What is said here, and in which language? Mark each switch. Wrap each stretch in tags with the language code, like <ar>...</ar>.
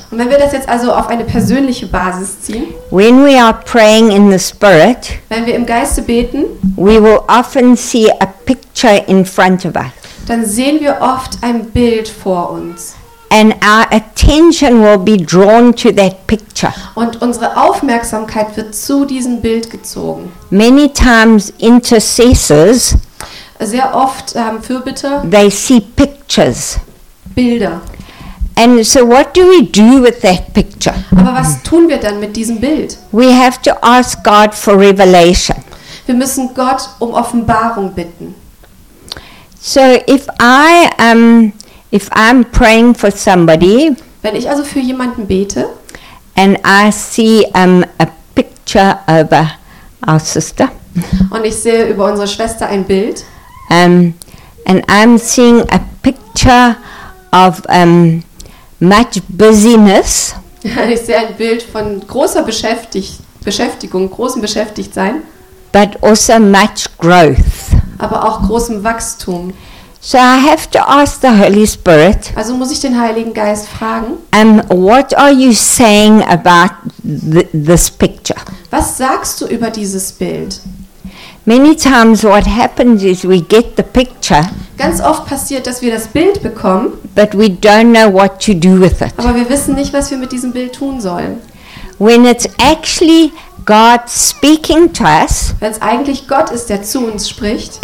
<de>Und wenn wir das jetzt also auf eine persönliche Basis ziehen.</de> <en>When we are praying in the spirit.</en> <de>Wenn wir im Geiste beten.</de> <en>We will often see a picture in front of us.</en> <de>Dann sehen wir oft ein Bild vor uns.</de> <en>And our attention will be drawn to that picture.</en> <de>Und unsere Aufmerksamkeit wird zu diesem Bild gezogen.</de> <en>Many times intercessors,</en> <de>sehr oft Fürbitter,</de> <en>they see pictures.</en> <de>Bilder.</de> <en>And so what do we do with that picture?</en> <de>Aber was tun wir dann mit diesem Bild?</de> <en>We have to ask God for revelation.</en> <de>Wir müssen Gott um Offenbarung bitten.</de> <en>So if I if I'm praying for somebody,</en> <de>wenn ich also für jemanden bete,</de> <en>and I see a picture over our sister,</en> <de>und ich sehe über unsere Schwester ein Bild,</de> <en>and I'm seeing a picture of much busyness,</en> <de>ich sehe ein Bild von großer Beschäftigung, großem Beschäftigtsein,</de> <en>but also much growth,</en> <de>aber auch großem Wachstum.</de> <en>So I have to ask the Holy Spirit.</en> <de>Also muss ich den Heiligen Geist fragen.</de> <en>What are you saying about this picture?</en> <de>Was sagst du über dieses Bild?</de> <en>Many times what happens is we get the picture.</en> <de>Ganz oft passiert, dass wir das Bild bekommen.</de> <en>But we don't know what to do with it.</en> <de>Aber wir wissen nicht, was wir mit diesem Bild tun sollen.</de> <en>When it's actually God speaking to us.</en> <de>Wenn es eigentlich Gott ist, der zu uns spricht.</de>